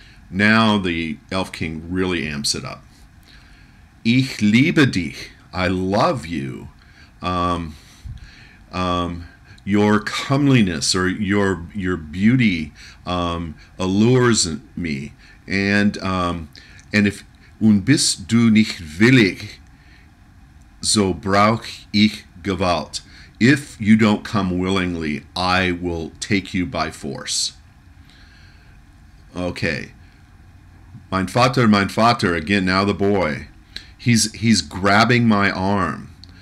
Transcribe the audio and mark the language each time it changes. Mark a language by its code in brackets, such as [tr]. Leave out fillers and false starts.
[en] Now the elf king really amps it up. [de] Ich liebe dich, [en] I love you. Your comeliness or your beauty allures me. And if [de] und bist du nicht willig, so brauch ich Gewalt. [en] If you don't come willingly, I will take you by force. Okay. [de] Mein Vater, [en] again, now the boy. He's grabbing my arm.